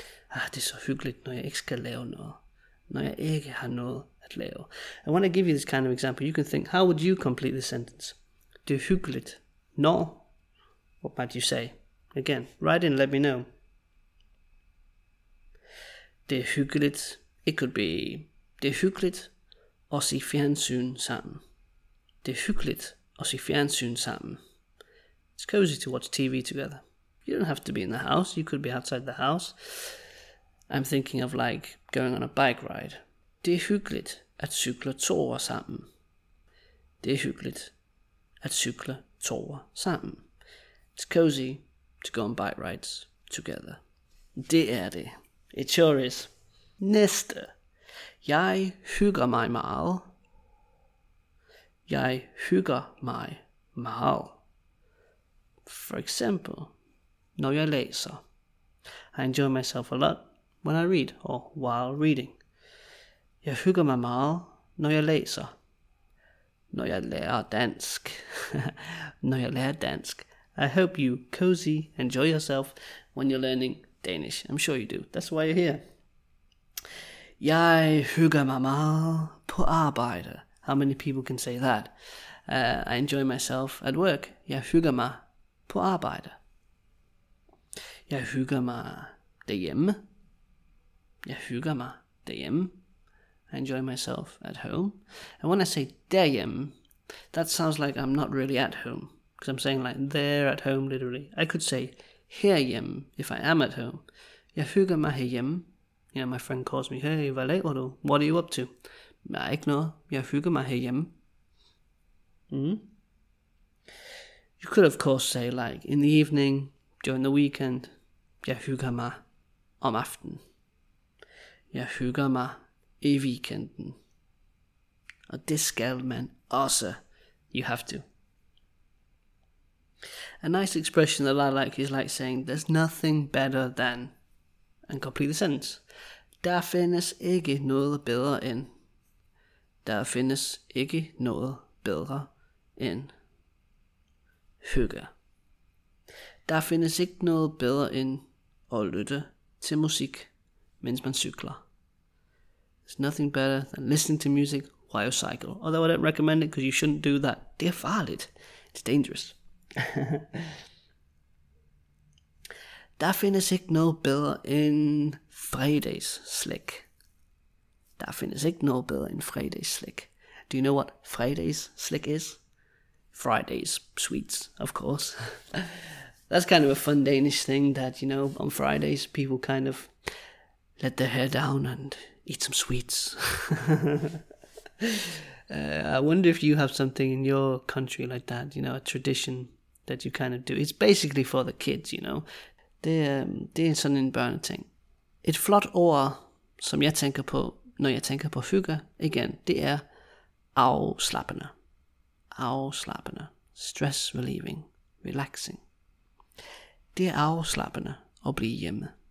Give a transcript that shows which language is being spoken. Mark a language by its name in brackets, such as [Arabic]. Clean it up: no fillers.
[Danish] Ah, det er så hyggeligt, når jeg ikke skal lave noget. Når jeg ikke har noget at lave. [English] And when I give you this kind of example, you can think, how would you complete this sentence? [Danish] Det er hyggeligt, når. [English] What might you say? Again, write in, let me know. [Danish] Det er hyggeligt. [English] It could be, [Danish] det er hyggeligt at se fjernsyn sammen. Det er hyggeligt at se fjernsyn sammen. [English] It's cozy to watch TV together. You don't have to be in the house. You could be outside the house. I'm thinking of like going on a bike ride. [Danish] Det er hyggeligt at cykle ture sammen. Det er hyggeligt at cykle ture sammen. [English] It's cozy to go on bike rides together. [Danish] Det er det. [English] It sure is. [Danish] Næste. Jeg hygger mig meget. Jeg hygger mig meget. [English] For example, [Danish] når jeg læser. [English] I enjoy myself a lot when I read or while reading. [Danish] Jeg hygger mig meget, når jeg læser. Når jeg lærer dansk. Når jeg lærer dansk. [English] I hope you cozy enjoy yourself when you're learning Danish. I'm sure you do. That's why you're here. [Danish] Jeg hygger mig meget på arbejde. [English] How many people can say that? I enjoy myself at work. [Danish] Jeg hygger mig på arbejde. Jeg hygger mig derhjemme. Jeg hygger mig derhjemme. [English] I enjoy myself at home. And when I say derhjemme, that sounds like I'm not really at home. Because I'm saying like there at home, literally. I could say herhjemme if I am at home. [Danish] Jeg hygger mig herhjemme. [English] You know, my friend calls me, hey, [Danish] hvad laver du? [English] What are you up to? [Danish] Nej, ikke noget. Jeg hygger mig herhjemme. [English] You could, of course, say, like, in the evening, during the weekend, [Danish] jeg hygger mig om aften. Jeg hygger mig i weekenden. Og det skal man også. [English] You have to. A nice expression that I like is like saying, there's nothing better than, and complete the sentence. [Danish] Der findes ikke noget bedre end. Der findes ikke noget bedre end hygge. Der findes ikke noget bedre end at lytte til musik, mens man cykler. [English] There's nothing better than listening to music while you cycle. Although I don't recommend it because you shouldn't do that. [Danish] Det er farligt. [English] It's dangerous. [Danish] Der findes ikke noget bedre end fredags slik. Der findes ikke noget bedre end fredags slik. [English] Do you know what fredags slik is? Fridays sweets, of course. That's kind of a fun Danish thing that, you know, on Fridays people kind of let their hair down and eat some sweets. I wonder if you have something in your country like that, you know, a tradition that you kind of do. It's basically for the kids, you know. [Danish] Det er sådan en børneting. Et flot ord, som jeg tænker på, når jeg tænker på hygge, igen, det er afslappende. Afslappende. [English] Stress relieving. Relaxing. [Danish] Det er afslappende at blive hjemme.